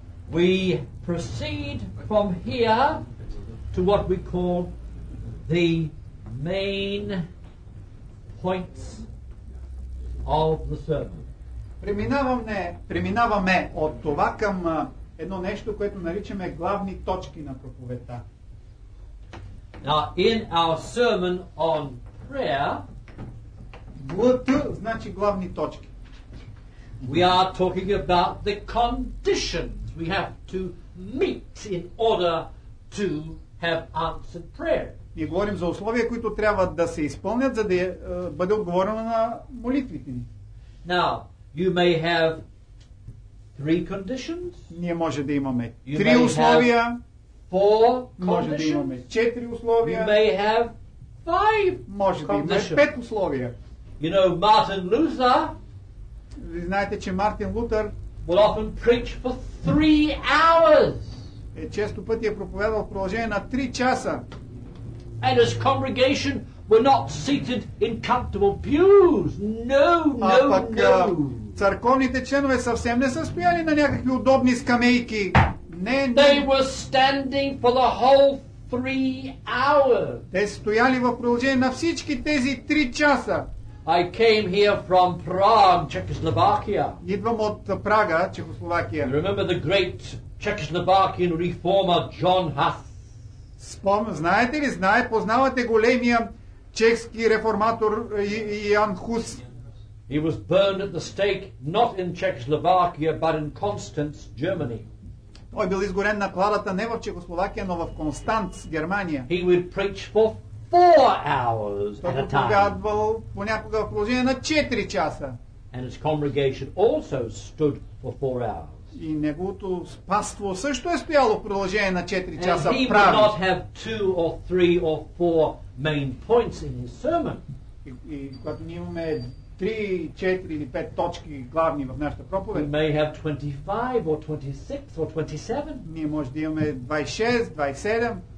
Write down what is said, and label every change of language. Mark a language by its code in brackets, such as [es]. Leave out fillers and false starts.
[en] We proceed from here to what we call the main points of the sermon. [bg] Преминаваме от това към едно нещо, което наричаме главни точки на проповедта. [en] Now, in our sermon on prayer, [bg] глуто значи главни точки. [en] We are talking about the conditions we have to meet in order to have answered prayer. [bg] Ние говорим за условия, които трябва да се изпълнят, за да бъде отговорено на молитвите ни. [en] Now, you may have three conditions. [bg] Ние може да имаме три условия. [en] four [bg] може да имаме четири условия. [en] We may have five [bg] може да имаме пет условия. [en] You know, Martin Luther, [bg] Ви знаете, че Мартин Лутър [en] will often preach for three hours. [bg] Е, често пъти е проповядал в продължение на 3 часа. [en] And his congregation were not seated in comfortable pews. No, no, no. [bg] Църковните членове съвсем не са стояли на някакви удобни скамейки. Не, не. [en] They were standing for the whole 3 hours. [bg] Те стояли в продължение на всички тези 3 часа. [en] I came here from Prague, Czechoslovakia. [bg] Идвам от Прага, Чехословакия. [en] Remember the great Czechoslovakian reformer John Huss? [bg] Знаете ли, познавате големия чехски реформатор Ян Хус? [en] He was burned at the stake not in Czechoslovakia but in Constance, Germany. [bg] Той бил изгорен на кладата не в Чехословакия, но в Констанц, Германия. [en] He would preach for 4 hours at a time. [bg] Той проповядвал понякога в положение на 4 часа. [en] And his congregation also stood for 4 hours. [bg] И неговото паство също е стояло в продължение на 4 часа в Праг. [en] He would not have 2 or 3 or 4 main points in his sermon. [bg] И когато ние имаме 3, 4 или 5 точки главни в нашата проповед. [en] We may have 25 or 26 or 27. [bg] Ние може да имаме 26, 27.